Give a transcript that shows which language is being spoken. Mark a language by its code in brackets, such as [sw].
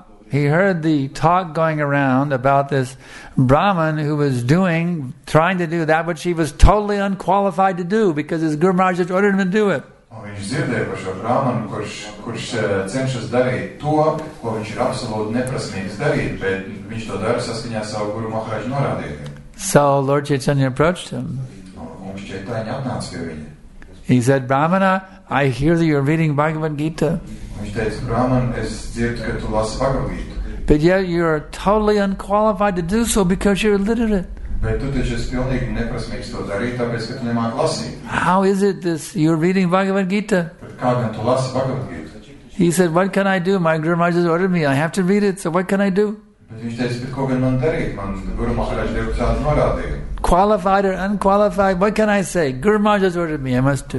[en] He heard the talk going around about this Brahman who was trying to do that which he was totally unqualified to do because his Guru Maharaj had ordered him to do it. [lv] Un viņš dzirdēja par šo brāmanu, kurš cenšas darīt to, ko viņš ir absolūti neprasmīgs darīt, bet viņš to dara saskaņā savu Guru Maharaj norādījumu. [en] So Lord Chaitanya approached him. [lv] Un viņš Chaitanya atnāca pie viņa. [en] He said, Brahmana, I hear that you're reading Bhagavad Gita. [lv] Viņš teica, Brahman, es dzirdu, ka tu lasi Bhagavad Gita. [en] But yet you're totally unqualified to do so because you're illiterate. [lv] Bet tu taču esi pilnīgi neprasmīgs to darīt, tāpēc, ka tu nemāk lasīt. [en] How is it this, you're reading Bhagavad Gita? [lv] Bet kā gan tu lasi Bhagavad Gita? [en] He said, what can I do? My Guru Maharaj has ordered me, I have to read it, so what can I do? [lv] Bet viņš teica, bet ko gan man darīt? Man Guru Maharaj devu tādu norādījumu. [en] Qualified or unqualified, what can I say? Guru Maharaj has ordered me, I must do.